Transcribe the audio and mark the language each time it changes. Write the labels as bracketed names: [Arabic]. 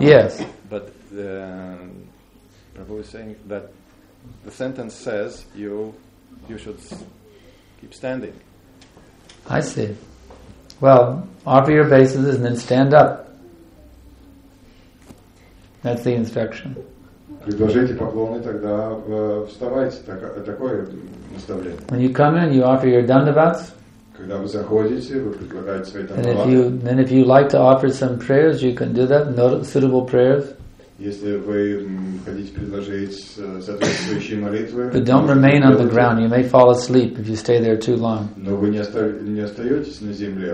[English] Yes. But Prabhu is saying that the sentence says you should keep standing. I see. Well, offer your obeisances and then stand up. That's the instruction. [Russian] Предложите поклоны, тогда вставайте. Такое наставление. [English] When you come in, you offer your dandavats. [Russian] Когда вы заходите, вы предлагаете свои dandavats. [English] And if you like to offer some prayers, you can do that. Suitable prayers. [Russian] Если вы хотите предложить соответствующие молитвы. [English] But don't remain on the ground. You may fall asleep if you stay there too long. [Russian] Но вы не остаетесь на земле.